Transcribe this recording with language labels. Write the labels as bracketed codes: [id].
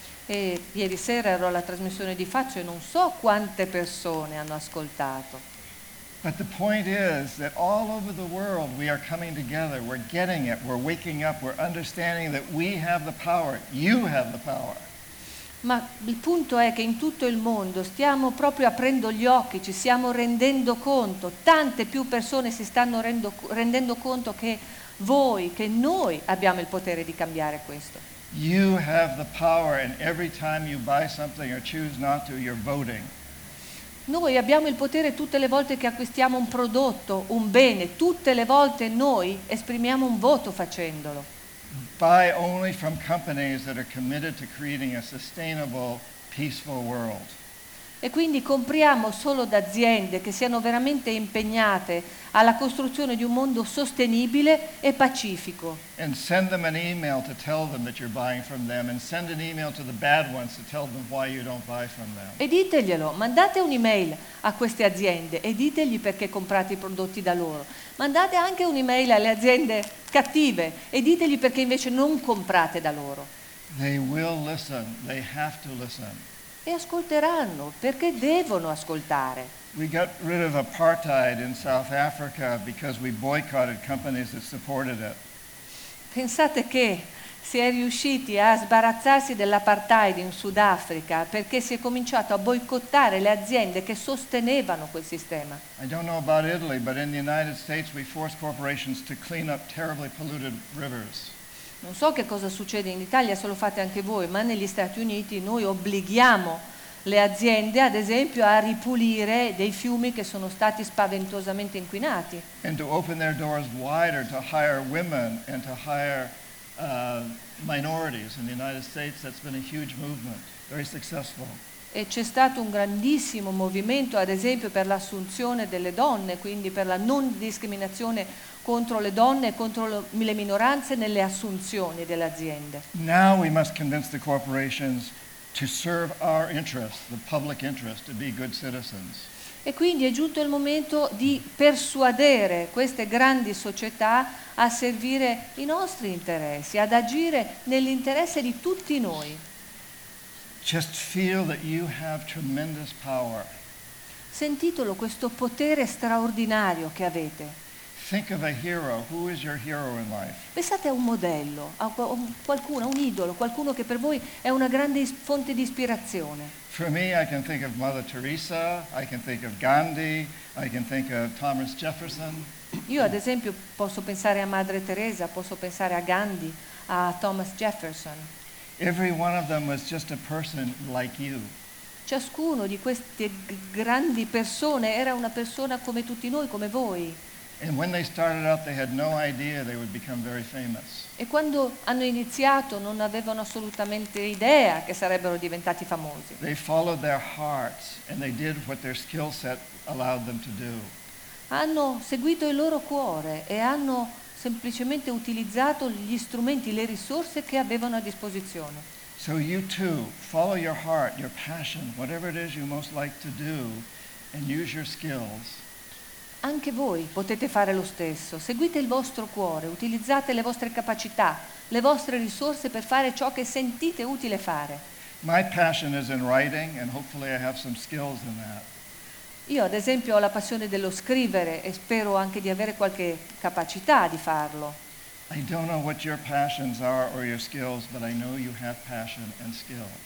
[it] E ieri sera ero alla trasmissione di Faccio e non so quante persone hanno ascoltato. [en] But the point is that all over the world we are coming together, we're getting it, we're waking up, we're understanding that we have the power, you have the power. [it] Ma il punto è che in tutto il mondo stiamo proprio aprendo gli occhi, ci stiamo rendendo conto, tante più persone si stanno rendendo conto che voi, che noi abbiamo il potere di cambiare questo. [en] You have the power, and every time you buy something or choose not to, you're voting. [it] Noi abbiamo il potere tutte le volte che acquistiamo un prodotto, un bene, tutte le volte noi esprimiamo un voto facendolo. [en] Buy only from companies that are committed to creating a sustainable, peaceful world. [it] E quindi compriamo solo da aziende che siano veramente impegnate alla costruzione di un mondo sostenibile e pacifico. [en] And send them an email to tell them that you're buying from them, and send an email to the bad ones to tell them why you don't buy from them. [it] E diteglielo, mandate un'email a queste aziende e ditegli perché comprate i prodotti da loro. Mandate anche un'email alle aziende cattive e ditegli perché invece non comprate da loro. [en] They will listen, they have to listen. [it] E ascolteranno, perché devono ascoltare. [en] We got rid of apartheid in South Africa because we boycotted companies that supported it. [it] Pensate che si è riusciti a sbarazzarsi dell'apartheid in Sudafrica perché si è cominciato a boicottare le aziende che sostenevano quel sistema. [en] I don't know about Italy, but in the United States we force corporations to clean up terribly polluted rivers. [it] Non so che cosa succede in Italia, se lo fate anche voi, ma negli Stati Uniti noi obblighiamo le aziende, ad esempio, a ripulire dei fiumi che sono stati spaventosamente inquinati. [en] And to open their doors wider to hire women and to hire minorities. In the United States that's been a huge movement, very successful. [it] E c'è stato un grandissimo movimento, ad esempio, per l'assunzione delle donne, quindi per la non discriminazione contro le donne e contro le minoranze nelle assunzioni delle aziende. [en] Now we must convince the corporations to serve our interest, the public interest, to be good citizens. [it] E quindi è giunto il momento di persuadere queste grandi società a servire i nostri interessi, ad agire nell'interesse di tutti noi. [en] Just feel that you have tremendous power. [it] Sentitelo questo potere straordinario che avete. [en] Think of a hero. Who is your hero in life? [it] Pensate a un modello, a qualcuno, a un idolo, qualcuno che per voi è una grande fonte di ispirazione. [en] For me, I can think of Mother Teresa, I can think of Gandhi, I can think of Thomas Jefferson. [it] Io, ad esempio, posso pensare a Madre Teresa, posso pensare a Gandhi, a Thomas Jefferson. [en] Every one of them was just a person like you. [it] Ciascuno di queste grandi persone era una persona come tutti noi, come voi. [en] And when they started out, they had no idea they would become very famous. [it] E quando hanno iniziato, non avevano assolutamente idea che sarebbero diventati famosi. [en] They followed their hearts and they did what their skill set allowed them to do. [it] Hanno seguito il loro cuore e hanno semplicemente utilizzato gli strumenti, le risorse che avevano a disposizione. [en] So you too, follow your heart, your passion, whatever it is you most like to do, and use your skills. [it] Anche voi potete fare lo stesso. Seguite il vostro cuore, utilizzate le vostre capacità, le vostre risorse per fare ciò che sentite utile fare. [en] My passion is in writing, and hopefully I have some skills in that. [it] Io ad esempio ho la passione dello scrivere e spero anche di avere qualche capacità di farlo. [en] I don't know what your passions are or your skills, but I know you have passion and skill.